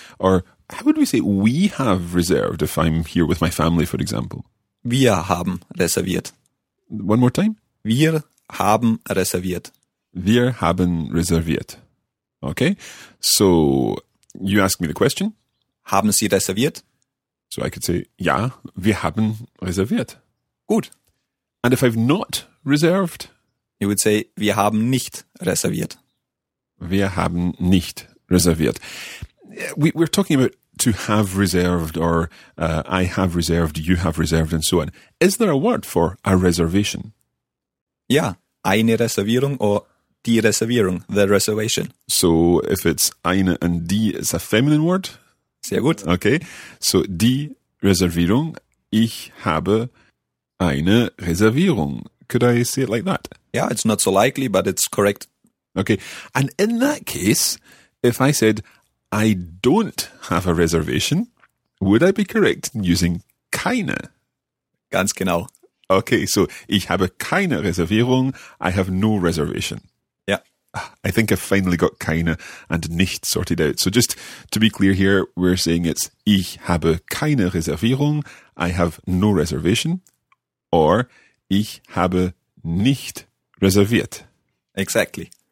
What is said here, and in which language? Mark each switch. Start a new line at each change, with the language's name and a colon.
English: Or how would we say we have reserved if I'm here with my family, for example?
German: Wir haben reserviert.
English: One more time.
German: Wir haben reserviert. Wir haben reserviert. Okay.
English: So you ask me the question.
German: Haben Sie reserviert?
English: So I could say,
German: ja, wir haben reserviert. Gut.
English: And if I've not reserved? You would say,
German: wir haben nicht reserviert. Wir haben nicht reserviert.
English: We're talking about to have reserved or I have reserved, you have reserved and so on. Is there a word for a reservation?
German: Ja, eine Reservierung or die Reservierung,
English: the reservation. So if it's eine and die, it's a feminine word?
German: Sehr gut. Okay, so die Reservierung, ich habe eine Reservierung.
English: Could I say it like that? Yeah, it's not so likely, but it's correct. Okay, and in that case, if I said I don't have a reservation, would I be correct in using keine?
German: Ganz genau.
English: Okay, so
German: ich habe keine Reservierung,
English: I have no reservation. I think I finally got keine and nicht sorted out. So just to be clear here, we're saying it's
German: ich habe keine Reservierung,
English: I have no reservation, or
German: ich habe nicht reserviert.
English: Exactly.